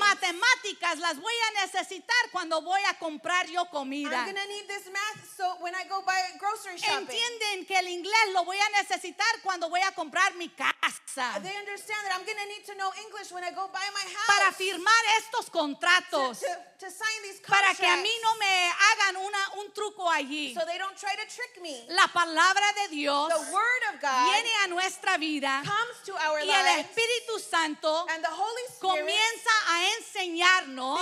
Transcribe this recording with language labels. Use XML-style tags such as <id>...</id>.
<es>Matemáticas las voy a necesitar cuando voy a comprar yo comida.</es> <en>I'm gonna need this math so when I go buy grocery shopping.</en> <es>Entienden que el inglés lo voy a necesitar cuando voy a comprar mi casa.</es> <en>They understand that I'm gonna need to know English when I go buy my house.</en> <es>Para firmar estos contratos.</es> <en>To sign these contracts.</en> <es>Para que a mí no me hagan un truco allí.</es> <en>So they don't try to trick me.</en> <es>La palabra de Dios.</es> <en>The word of God.</en> <es>Viene a nuestra vida.</es> <en>Comes to our lives.</en> <es>Y el Espíritu Santo.</es> <en>And the Holy Spirit.</en> <es>Comienza a enseñarnos.</es>